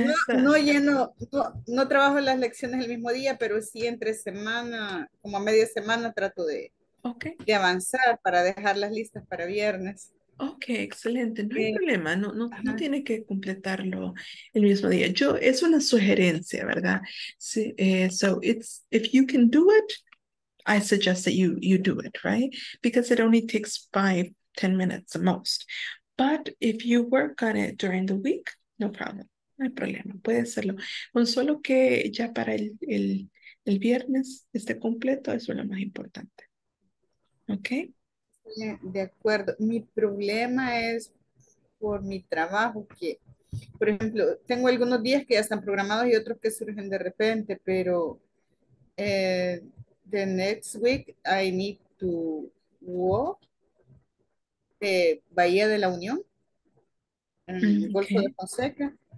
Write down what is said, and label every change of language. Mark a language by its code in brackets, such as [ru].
[es] no, no lleno, no trabajo las lecciones el mismo día, pero sí entre semana, como a media semana, trato de, okay, de avanzar para dejar las listas para viernes. Ok, excelente. No hay problema. No, no, no tiene que completarlo el mismo día. Yo, es una sugerencia, ¿verdad? [en] Sí, so, it's, if you can do it, I suggest that you do it, right? Because it only takes 5-10 minutes at most. But if you work on it during the week, no problem. [es] No hay problema. Puede hacerlo. Con solo que ya para el viernes esté completo, eso es lo más importante. Ok. De acuerdo. Mi problema es por mi trabajo, que, por ejemplo, tengo algunos días que ya están programados y otros que surgen de repente, pero [en] the next week I need to walk [es] de Bahía de la Unión, en el Golfo de Fonseca.